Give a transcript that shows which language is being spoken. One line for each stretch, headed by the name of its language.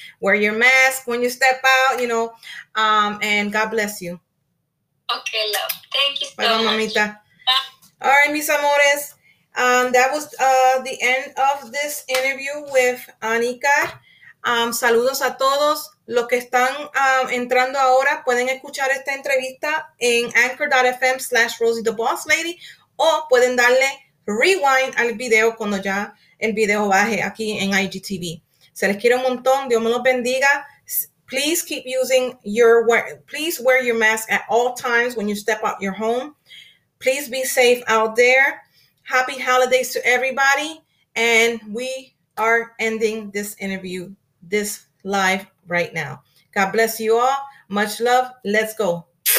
English: Wear your mask when you step out, you know, and God bless you. Okay, love. Thank you so much. Bye, mamita. Bye. All right,
Spanish: mis amores.
English: That was the end of this interview with Anikar.
Spanish: Saludos a todos. Los que están entrando ahora pueden escuchar esta entrevista en anchor.fm/RosieTheBossLady. O pueden darle rewind al video cuando ya el video baje aquí en IGTV. Se les quiere un montón. Dios me los bendiga.
English: Please keep using please wear your mask at all times when you step out your home. Please be safe out there. Happy holidays to everybody. And we are ending this interview, this live right now. God bless you all. Much love. Let's go.